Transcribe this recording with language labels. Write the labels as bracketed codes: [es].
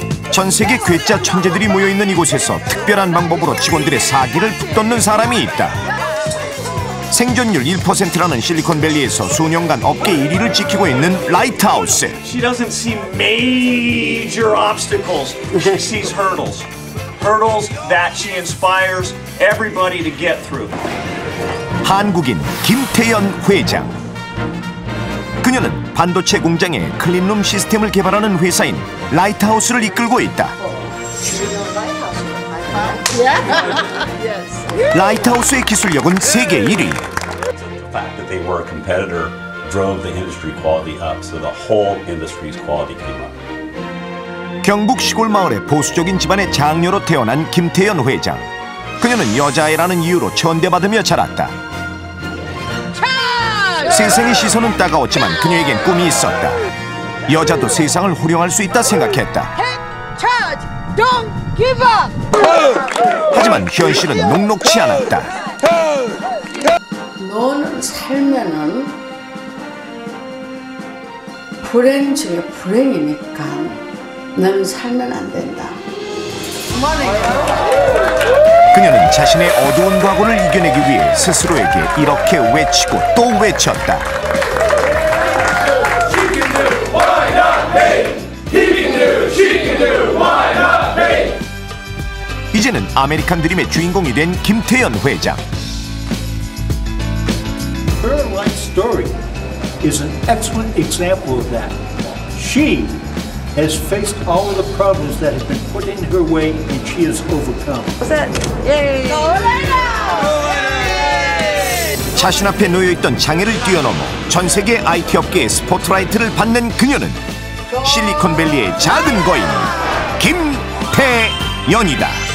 [ko] 전 세계 괴짜 천재들이 모여있는 이곳에서 특별한 방법으로 직원들의 사기를 북돋는 사람이 있다. 생존율 1%라는 실리콘밸리에서 수년간 업계 1위를 지키고 있는 라이트하우스. [en] She doesn't see major obstacles. She sees hurdles. Hurdles that she inspires everybody to get through. [ko] 한국인 김태연 회장. 그녀는 반도체 공장에 클린룸 시스템을 개발하는 회사인 라이트하우스를 이끌고 있다. 라이트하우스의 기술력은 세계 1위. [en] The fact that they were a competitor drove the industry quality up, so the whole industry's quality came up. [ko] 경북 시골 마을의 보수적인 집안의 장녀로 태어난 김태연 회장. 그녀는 여자애라는 이유로 천대받으며 자랐다. 세상의 시선은 따가웠지만 그녀에겐 꿈이 있었다. 여자도 세상을 호령할 수 있다 생각했다. [en] Don't give up. [ko] 하지만 현실은 녹록치 않았다. 너는 살면은 불행 중에 불행이니까 너는 살면 안 된다. 그녀는 자신의 어두운 과거를 이겨내기 위해 스스로에게 이렇게 외치고 또 외쳤다. [en] She can do, why not me? He can do, she can do, why not me? [ko] 이제는 아메리칸 드림의 주인공이 된 김태연 회장. [en] Her life story is an excellent example of that. She has faced all of the problems that have been put in her way and she has overcome. What's that? Yay! [ko] 자신 앞에 놓여 있던 장애를 뛰어넘어 전 세계 IT 업계의 스포트라이트를 받는 그녀는 실리콘밸리의 작은 거인 김태연이다.